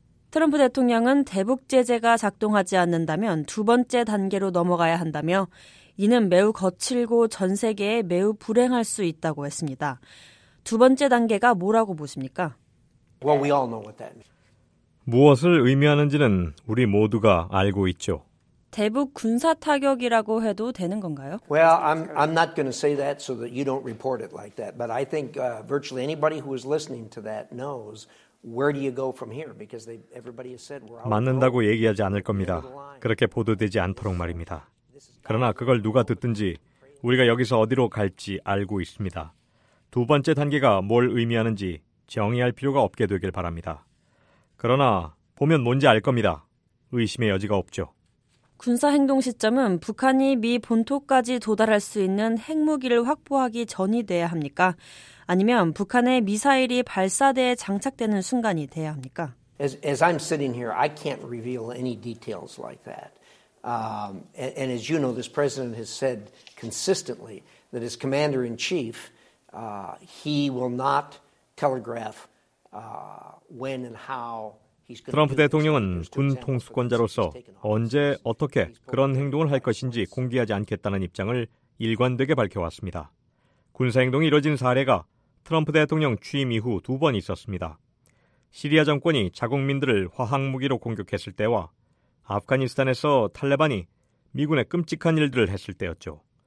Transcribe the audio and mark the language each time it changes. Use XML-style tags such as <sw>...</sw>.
<ko>트럼프 대통령은 대북 제재가 작동하지 않는다면 두 번째 단계로 넘어가야 한다며 이는 매우 거칠고 전 세계에 매우 불행할 수 있다고 했습니다. 두 번째 단계가 뭐라고 보십니까?</ko> <en>Well, we all know what that means.</en> <ko>무엇을 의미하는지는 우리 모두가 알고 있죠. 대북 군사 타격이라고 해도 되는 건가요?</ko> <en>Well, I'm not going to say that so that you don't report it like that. But I think virtually anybody who is listening to that knows where do you go from here? Because everybody has said we're out.</en> <ko>맞는다고 얘기하지 않을 겁니다. 그렇게 보도되지 않도록 말입니다. 그러나 그걸 누가 듣든지 우리가 여기서 어디로 갈지 알고 있습니다. 두 번째 단계가 뭘 의미하는지 정의할 필요가 없게 되길 바랍니다. 그러나 보면 뭔지 알 겁니다. 의심의 여지가 없죠. 군사행동 시점은 북한이 미 본토까지 도달할 수 있는 핵무기를 확보하기 전이 돼야 합니까? 아니면 북한의 미사일이 발사대에 장착되는 순간이 돼야 합니까?</ko> <en>As I'm sitting here, I can't reveal any details like that. And as you know, this president has said consistently that as commander-in-chief, he will not telegraph when and how</en> <ko>트럼프 대통령은 군 통수권자로서 언제 어떻게 그런 행동을 할 것인지 공개하지 않겠다는 입장을 일관되게 밝혀왔습니다. 군사행동이 이뤄진 사례가 트럼프 대통령 취임 이후 두 번 있었습니다. 시리아 정권이 자국민들을 화학무기로 공격했을 때와 아프가니스탄에서 탈레반이 미군의 끔찍한 일들을 했을 때였죠.</ko>